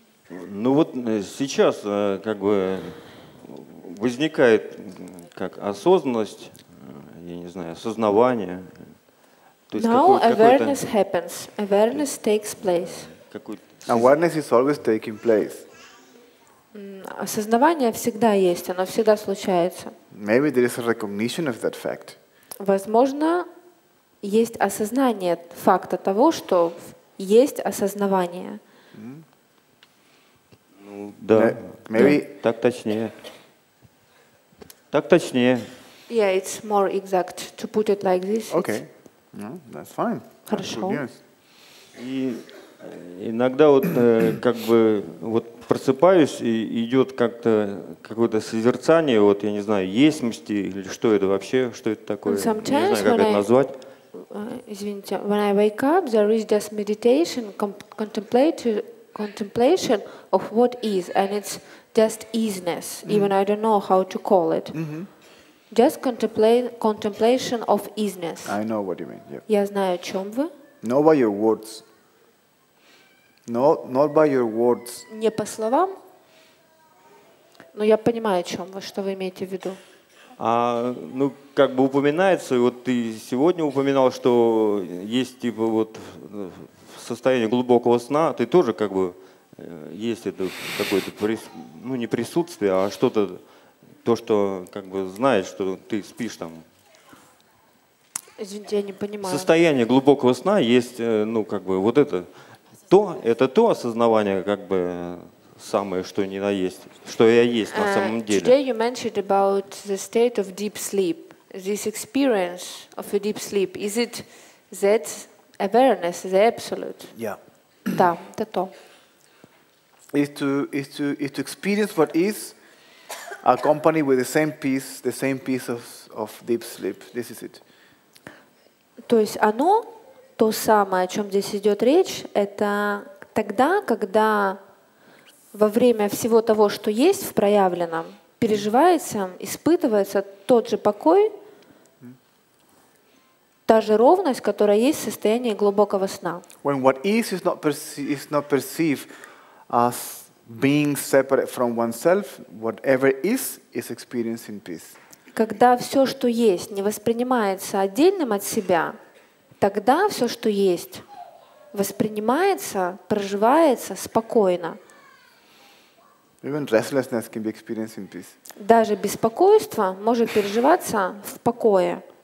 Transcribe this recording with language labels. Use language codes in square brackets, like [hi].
[ru] Ну вот сейчас как бы возникает как осознанность, я не знаю, осознавание. То есть [en] now awareness happens. Awareness takes place. Awareness is always taking place. [ru] Осознавание всегда есть, оно всегда случается. [en] Maybe there is a recognition of that fact. [ru] Возможно, есть осознание факта того, что есть осознавание. Mm-hmm. Ну, да. [en] Maybe. [ru] Так точнее. Так точнее. [en] Yeah, it's more exact to put it like this. Okay. No, that's fine. [ru] Хорошо. И иногда вот как бы вот просыпаюсь, и идет как-то какое-то созерцание, вот я не знаю, есть-мости или что это вообще, что это такое, не знаю, как это назвать. Извините, [en] when I wake up, there is just meditation, contemplation of what is, and it's just isness, even mm-hmm. I don't know how to call it. Mm-hmm. Just contemplation of isness. I know what you mean, yeah. [ru] Я знаю, о чем вы. [en] Know by your words. No, not by your words. [ru] Не по словам, но я понимаю, о чем вы, что вы имеете в виду. А, ну, как бы упоминается, вот ты сегодня упоминал, что есть типа вот состояние глубокого сна, ты тоже как бы есть это какое-то, ну, не присутствие, а что-то, то, что как бы знаешь, что ты спишь там. Извините, я не понимаю. Состояние глубокого сна есть, ну, как бы вот это... То осознавание, как бы самое, что ни на есть, что я есть на самом деле. [en] Today you mentioned about the state of deep sleep. This experience of a deep sleep. Is it that awareness, the absolute? Yeah. [ru] Да, это то. [en] Is to experience what is, accompanied with the same piece of deep sleep. This is it. [ru] То есть оно. То самое, о чем здесь идет речь, это тогда, когда во время всего того, что есть в проявленном, переживается, испытывается тот же покой, та же ровность, которая есть в состоянии глубокого сна. [en] When what is not perceived as being separate from oneself, whatever is experiencing peace. [ru] Когда все, что есть, не воспринимается отдельным от себя, тогда все, что есть, воспринимается, проживается спокойно. [en] Even restlessness can be experienced in peace. [ru] Даже беспокойство может переживаться в покое.